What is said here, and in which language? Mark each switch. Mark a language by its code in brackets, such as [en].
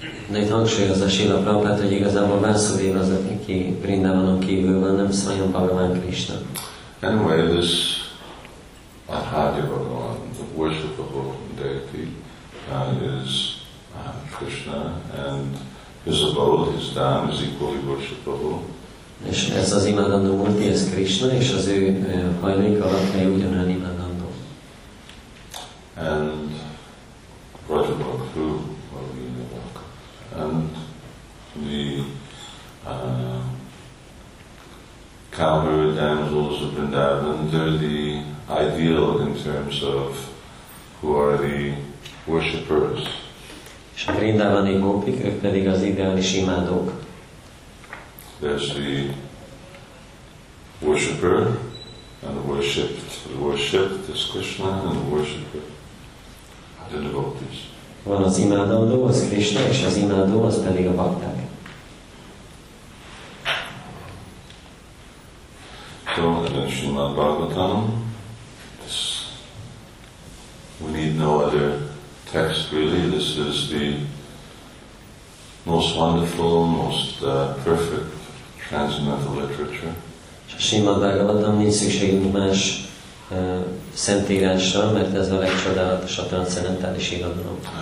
[hu] De itt hangsúlyozza Srila Prabhupada, hogy igazából Vasudeva az, aki Vrindavanon kívül van, nem Swayam Bhagavan Krishna. [en] Anyway, this Arhadya Bhagavan, the worshipable deity, is Krishna, and his abode, his dham, is equally worshipable. [hu] És ez az imádandó Murti, ez Krishna, és az ő hajlék alatt mely ugyanán imádandó. [en] And Raja Bhakthu, what we know about. And the cowherd damsels of Vrindavan, they're the ideal in terms of who are the worshippers. [hu] És a Vrindavani gópik, ők pedig az ideális imádók. [en] There's the worshipper and the worshipped. The worshipped is Krishna and the worshipper, the devotees. [hu] Van az imádandó, az Krishna, és az imádó, az pedig a bhakták. [en] So, in Srimad Bhagavatam, we need no other text really. This is the most wonderful, most perfect transcendental literature. [hu] És a Srimad Bhagavatam nincs szükségünk más szentírásra, mert ez a legcsodálatosabb transzcendentális irodalom.